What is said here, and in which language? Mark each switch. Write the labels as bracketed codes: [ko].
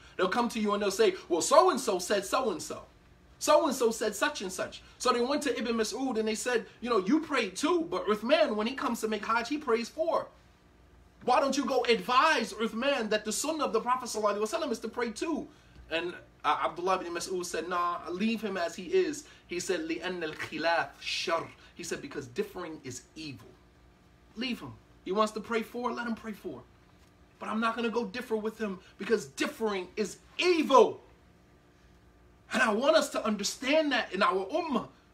[en] They'll come to you and they'll say, well, so-and-so said so-and-so. So-and-so said such and such. So they went to Ibn Mas'ud and they said, you know, you pray too, but Uthman, when he comes to make Hajj, he prays four. Why don't you go advise Uthman that the sunnah of the Prophet sallallahu alayhi wa sallam is to pray too? And Abdullah ibn Mas'ud said, nah, leave him as he is. He said, [ar] لِأَنَّ الْخِلَافِ شَرْ. [en] He said, because differing is evil. Leave him. He wants to pray four, let him pray four. But I'm not going to go differ with him because differing is evil. And I want us to understand that in our ummah.